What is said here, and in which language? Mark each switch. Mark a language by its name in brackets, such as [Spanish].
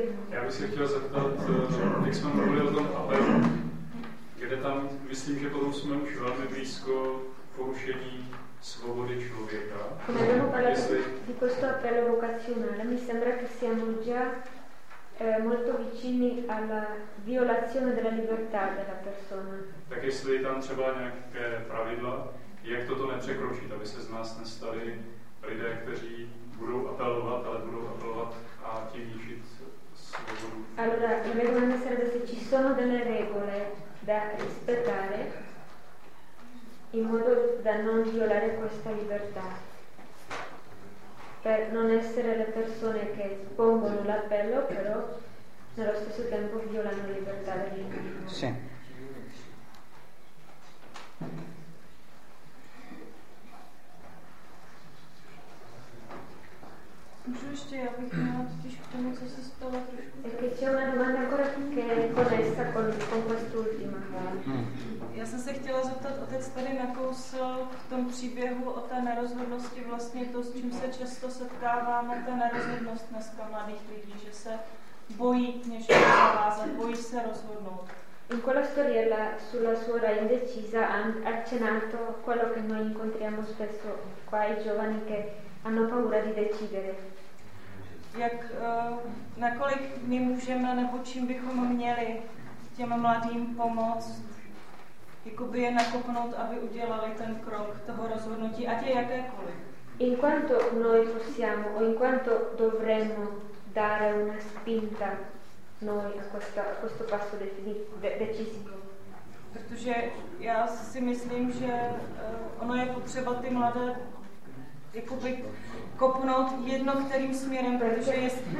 [Czech] Já bych se chtěl zeptat, jak jsme mluvili o tom apelu, kde tam, myslím, že potom jsme už velmi blízko porušení svobody člověka. [Italian] Come abbiamo parlato di questo appello vocazionale, mi sembra che siamo già molto vicini alla violazione della libertà della persona. [Czech] Tak jestli tam třeba nějaké pravidla, jak toto nepřekročit, aby se z nás nestali lidé, kteří budou apelovat, ale budou apelovat a tím nížit svobodu. [Italian] Allora, la mia domanda sarebbe se ci sono delle regole da rispettare in modo da non violare questa libertà. Per non essere le persone che pongono l'appello, però nello stesso tempo violano la libertà degli individui. Sì. E che c'è una domanda ancora che è connessa con quest'ultima. [Czech] Já jsem se chtěla zeptat, otec tady nakousil v tom příběhu o té nerozhodnosti vlastně to, s čím se často setkáváme, ta nerozhodnost dneska mladých lidí, že se bojí něčeho zavázat, bojí se rozhodnout. [Italian] In quella storia la, sulla suora indecisa ha accennato quello che noi incontriamo spesso qua i giovani che hanno paura di decidere. [Czech] Jak nakolik my můžeme nebo čím bychom měli těm mladým pomoct, jakoby je nakopnout, aby udělali ten krok toho rozhodnutí, ať je jakékoliv. [Italian] In quanto noi possiamo o in quanto dovremmo dare una spinta noi a questo passo decisivo. [Czech] Protože já si myslím, že ono je potřeba ty mladé jakoby kopnout jedno kterým směrem, protože je